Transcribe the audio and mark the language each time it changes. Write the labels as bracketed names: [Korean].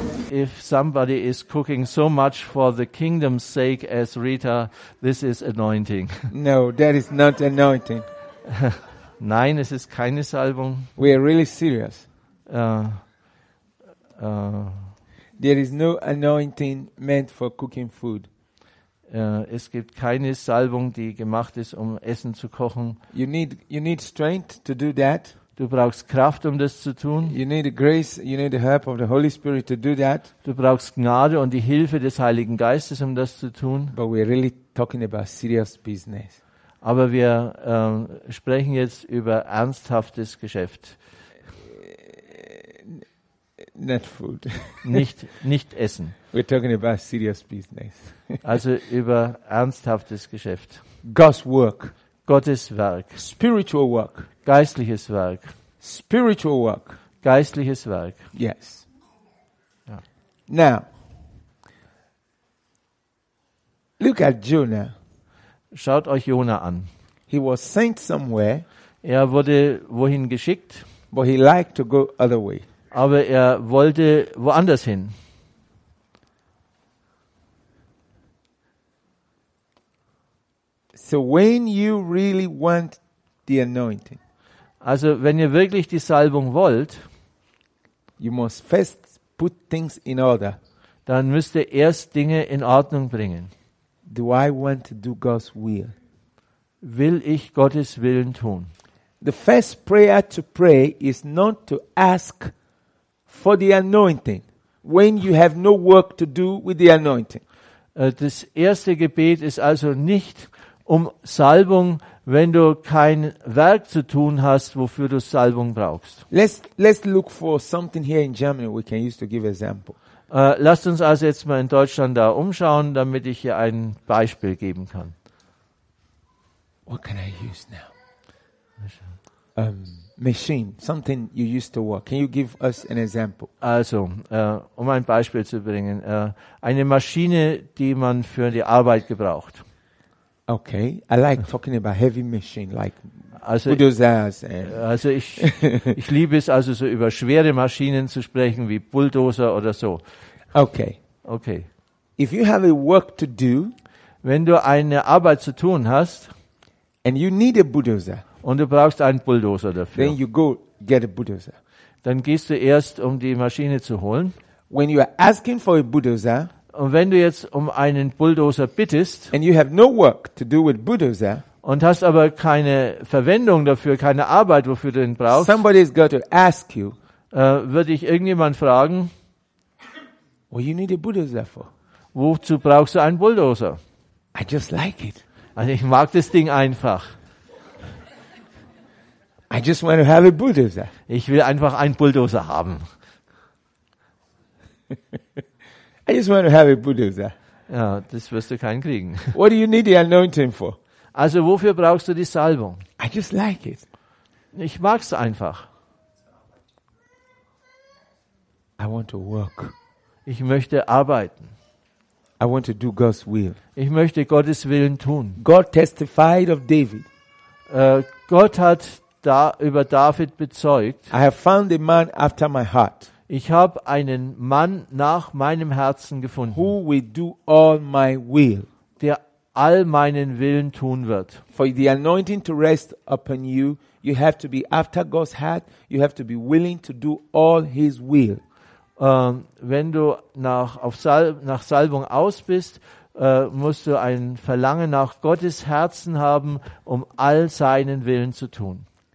[English] If somebody is cooking so much for the kingdom's sake as Rita, this is anointing. No, that is not anointing. [German] Nein, es ist keine Salbung. [English] We are really serious. There is no anointing meant for cooking food. [German] Es gibt keine Salbung, die gemacht ist, um Essen zu kochen. [English] You need strength to do that. [German] Du brauchst Kraft, um das zu tun. [English] You need grace, you need the help of the Holy Spirit to do that. [German] Du brauchst Gnade und die Hilfe des Heiligen Geistes, um das zu tun. [English] But we are really talking about serious business. [German] Aber wir sprechen jetzt über ernsthaftes Geschäft. [English] Not food. [German] nicht Essen. [English] We're talking about serious business. [German] Also über ernsthaftes Geschäft. [English] God's work. [German] Gottes Werk. [English] Spiritual work. [German] Geistliches Werk. [English] Spiritual work. [German] Geistliches Werk. [English] Yes. Ja. Now, look at Jonah. [German] Schaut euch Jonah an. [English] He was sent somewhere. [German] Er wurde wohin geschickt. [English] But he liked to go other way. [German] Aber er wollte woanders hin. [English] So when you really want the anointing, [German] also wenn ihr wirklich die Salbung wollt, [English] you must first put things in order. [German] Dann müsst ihr erst Dinge in Ordnung bringen. [English] Do I want to do God's will? [German] Will ich Gottes Willen tun? [English] The first prayer to pray is not to ask for the anointing when you have no work to do with the anointing. [German] Das erste Gebet ist also nicht um Salbung, wenn du kein Werk zu tun hast, wofür du Salbung brauchst. [English] Let's look for something here in Germany we can use to give example. [German] Lasst uns also jetzt mal in Deutschland da umschauen, damit ich hier ein Beispiel geben kann. [English] What can I use now? Machine, something you used to work. Can you give us an example? [German] Also, um ein Beispiel zu bringen, eine Maschine, die man für die Arbeit gebraucht. [English] Okay, I like talking about heavy machine, like [German] also, bulldozers. Also ich liebe es also so über schwere Maschinen zu sprechen, wie Bulldozer oder so. [English] Okay. If you have a work to do, [German] wenn du eine Arbeit zu tun hast, [English] and you need a bulldozer. [German] Und du brauchst einen Bulldozer dafür. [English] Then you go get a bulldozer. [German] Dann gehst du erst, um die Maschine zu holen. [English] When you are asking for a bulldozer, [German] und wenn du jetzt um einen Bulldozer bittest, [English] and you have no work to do with bulldozer, [German] und hast aber keine Verwendung dafür, keine Arbeit, wofür du ihn brauchst, [English] somebody's got to ask you, [German] würde ich irgendjemand fragen, [English] what you need a bulldozer for? [German] Wozu brauchst du einen Bulldozer? [English] I just like it. [German] Also ich mag das Ding einfach. [English] I just want to have a bulldozer. [German] Ich will einfach einen Bulldozer haben. [English] I just want to have a bulldozer. [German] Ja, das wirst du keinen kriegen. [English] What do you need the anointing for? [German] Also, wofür brauchst du die Salbung? [English] I just like it. [German] Ich mag's einfach. [English] I want to work. [German] Ich möchte arbeiten. [English] I want to do God's will. [German] Ich möchte Gottes Willen tun. [English] God testified of David. [German] Gott hat da über David bezeugt. [English] I have found a man after my heart. [German] Ich habe einen Mann nach meinem Herzen gefunden. [English] Who will do all my will? [German] Der all meinen Willen tun wird. [English] For the anointing to rest upon you, you have to be after God's heart. You have to be willing to do all His will. [German] Wenn du nach Salbung aus bist, musst du ein Verlangen nach Gottes Herzen haben, um all seinen Willen zu tun.